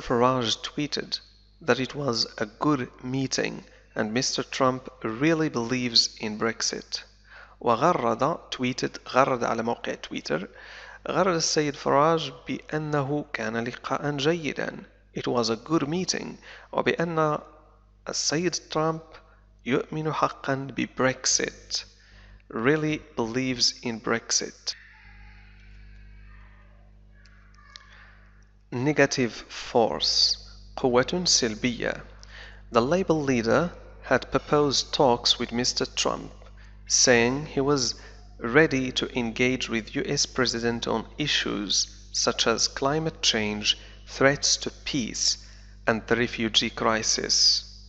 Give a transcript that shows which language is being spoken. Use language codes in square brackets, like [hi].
[en] Farage tweeted that it was a good meeting and Mr. Trump really believes in Brexit. [ar] وغرد [en] tweeted [ar] غرد على موقع تويتر غرد السيد فراج بأنه كان لقاء جيدا. [en] It was a good meeting [ar] وبأن السيد ترامب يؤمن حقا ببريكسيت. [en] Really believes in Brexit. Negative force [ar] قوة سلبية. [en] The Labour leader had proposed talks with Mr. Trump, saying he was ready to engage with US President on issues such as climate change, threats to peace, and the refugee crisis.